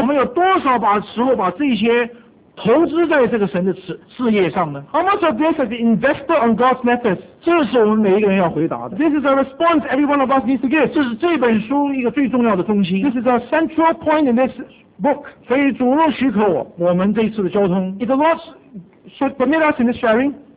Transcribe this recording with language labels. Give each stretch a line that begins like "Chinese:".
Chinese: 我们有多少把时候把这些投资在这个神的事业上呢
English: how much of this has been invested on God's methods
Chinese: 这是我们每一个人要回答的
English: this is a response every one of us needs to give
Chinese: 这是这本书一个最重要的中心
English: this is a central point in this book
Chinese: 所以主若许可我们这一次的交通
English: if the Lord should permit us in this sharing